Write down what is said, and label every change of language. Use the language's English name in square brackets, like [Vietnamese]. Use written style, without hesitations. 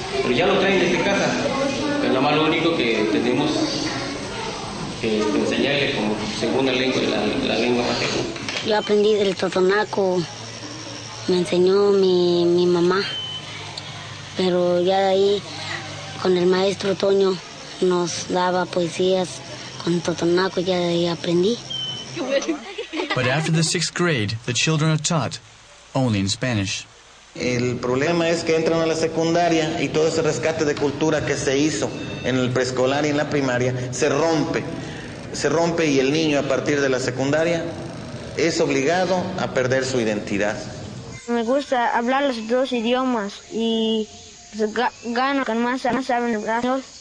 [Spanish] Pero ya lo traen desde casa. Es lo malo único que tenemos que enseñarles como segunda lengua la lengua materna. Yo aprendí del totonaco, me enseñó mi mamá, pero ya de ahí con el maestro Toño nos daba poesías con totonaco y ya de ahí aprendí. [English] But after the sixth grade, the children are taught only in Spanish. [Spanish] El problema es que entran a la secundaria y todo ese rescate de cultura que se hizo en el preescolar y en la primaria se rompe y el niño a partir de la secundaria es obligado a perder su identidad. Me gusta hablar los dos idiomas y gano con más saben el brazo.